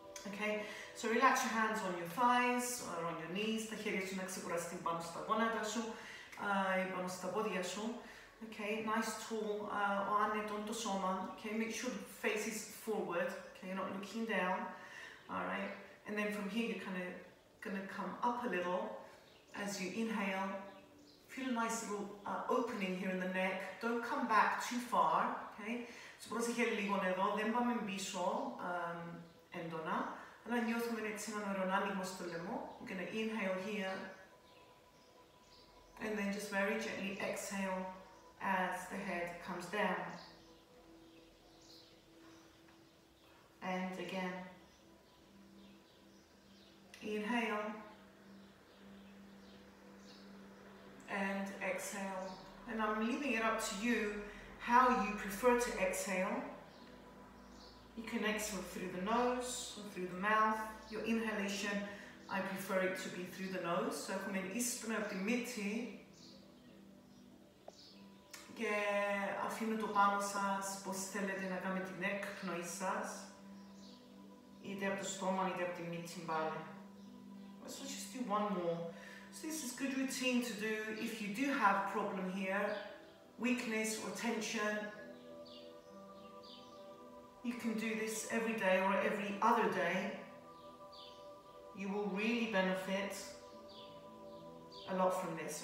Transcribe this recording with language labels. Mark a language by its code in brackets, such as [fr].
[en] Okay, so relax your hands on your thighs or on your knees. [el] Τα χέρια σου να ξεκουραστεί πάνω στα γόνατα σου, πάνω στα πόδια σου. [en] Okay, nice tall, [el] άνετον το σώμα. [en] Okay, make sure the face is forward. Okay, you're not looking down. All right, and then from here you're kind of gonna come up a little as you inhale. Feel a nice little opening here in the neck. Don't come back too far. Okay, so [el] πρόσεχε λίγο εδώ, δεν πάμε πίσω. Έντονα, αλλά νιώθουμε έτσι έναν ωρανάνιμο στο λαιμό. [en] We're going to inhale here and then just very gently exhale as the head comes down. And again. Inhale. And exhale. And I'm leaving it up to you how you prefer to exhale. You can exhale through the nose or through the mouth. Your inhalation, I prefer it to be through the nose. [el] So έχουμε εισπνοή από τη μύτη και αφήνω το πάνω σας πως θέλετε να κάνετε την εκπνοή σας, είτε από το στόμα είτε από τη μύτη πάλι. [en] Let's just do one more. So this is a good routine to do if you do have problem here, weakness or tension. You can do this every day or every other day. You will really benefit a lot from this.